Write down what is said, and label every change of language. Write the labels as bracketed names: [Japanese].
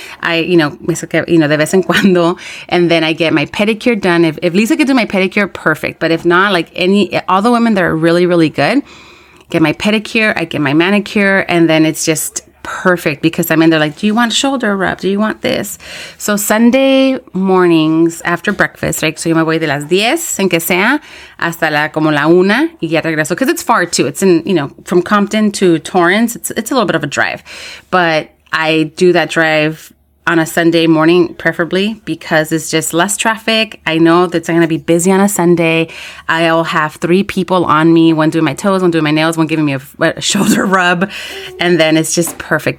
[English] I [Spanish] de vez en cuando. [English] And then I get my pedicure done. If Lisa could do my pedicure, perfect. But if not, like all the women that are really, really good, get my pedicure, I get my manicure, and then it's just perfect because I'm in there like, do you want shoulder rub? Do you want this? So Sunday mornings after breakfast, right? [Spanish] So yo me voy de las 10 en que sea hasta la como la una y ya regreso. [English] Because it's far too. It's in, you know, from Compton to Torrance, it's a little bit of a drive. But I do that drive on a Sunday morning, preferably, because it's just less traffic. I know that it's going to be busy on a Sunday. I'll have three people on me, one doing my toes, one doing my nails, one giving me a shoulder rub, and then it's just perfect.